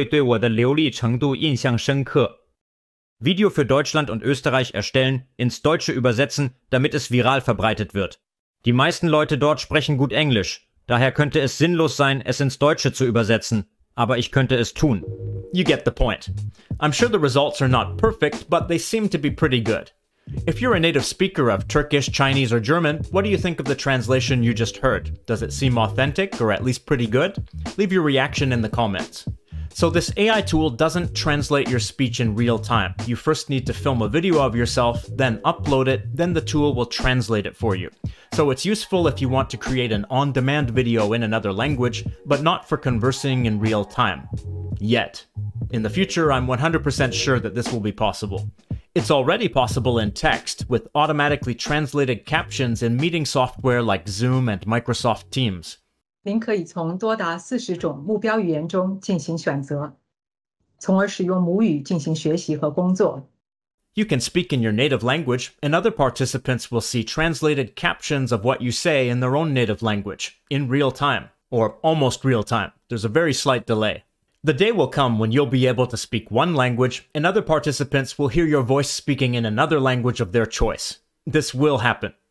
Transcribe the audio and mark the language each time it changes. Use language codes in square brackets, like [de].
[zh] 要制作中国人能理解的视频，即使不完美，翻译成中文，他们可能会对我的流利程度印象深刻。 [de] Video für Deutschland und Österreich erstellen, ins Deutsche übersetzen, damit es viral verbreitet wird. Die meisten Leute dort sprechen gut Englisch, daher könnte es sinnlos sein, es ins Deutsche zu übersetzen, aber ich könnte es tun. [en] You get the point. I'm sure the results are not perfect, but they seem to be pretty good. If you're a native speaker of Turkish, Chinese, or German, what do you think of the translation you just heard? Does it seem authentic, or at least pretty good? Leave your reaction in the comments. So this AI tool doesn't translate your speech in real time. You first need to film a video of yourself, then upload it, then the tool will translate it for you. So it's useful if you want to create an on-demand video in another language, but not for conversing in real time. Yet. In the future, I'm 100% sure that this will be possible. It's already possible in text, with automatically translated captions in meeting software like Zoom and Microsoft Teams. [zh] 您可以从多达 40 种目标语言中进行选择，从而使用母语进行学习和工作。 [en] You can speak in your native language, and other participants will see translated captions of what you say in their own native language, in real time, or almost real time. There's a very slight delay. The day will come when you'll be able to speak one language, and other participants will hear your voice speaking in another language of their choice. This will happen.